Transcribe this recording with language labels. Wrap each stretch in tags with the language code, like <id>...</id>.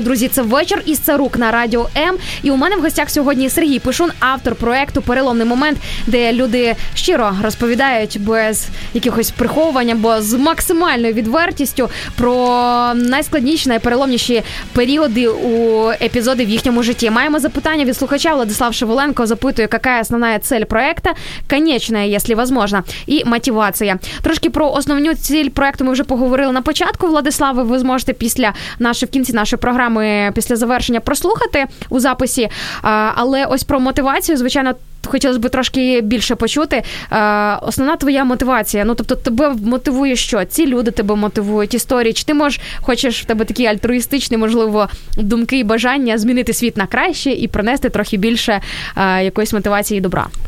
<uk>Друзі, це вечір із Царук на Радіо М. І у мене в гостях сьогодні Сергій Пишун, автор проєкту «Переломний момент», де люди щиро розповідають без якихось приховувань або з максимальною відвертістю про найскладніші, найпереломніші періоди у епізоди в їхньому житті. Маємо запитання від слухача. Владислав Шеволенко запитує, яка основна ціль проєкту?</uk> <ru>Конечная, если возможно, и мотивация.</ru> <uk>Трошки про</uk> <ru>основную цель проекта мы уже поговорили</ru> <uk>на початку, Владислава, вы сможете після нашої, в кінці нашої програми, після завершення прослухати у записі, але ось про мотивацію, звичайно, хотілося б трошки більше почути. Основна твоя мотивація, ну, тобто тебе мотивує що? Ці люди тебе мотивують, історії, чи ти можеш, хочеш, в тебе такі альтруїстичні, можливо, думки і бажання змінити світ на краще і принести трохи більше якоїсь мотивації і добра?</uk>